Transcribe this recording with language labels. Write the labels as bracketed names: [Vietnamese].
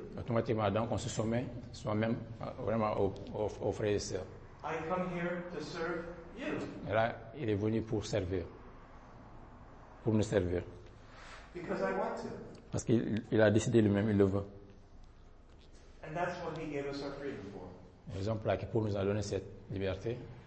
[French] Automatiquement donc on se soumet soi-même vraiment au frère et sœur. [English] I come here to serve you. [French] Et là, il est venu pour servir. Pour nous servir. [English] Because I want to. [French] Parce qu'il a décidé lui-même, il le veut. [English] And that's what he gave us our freedom for. [French] L'exemple là, pour nous a donné cette liberté.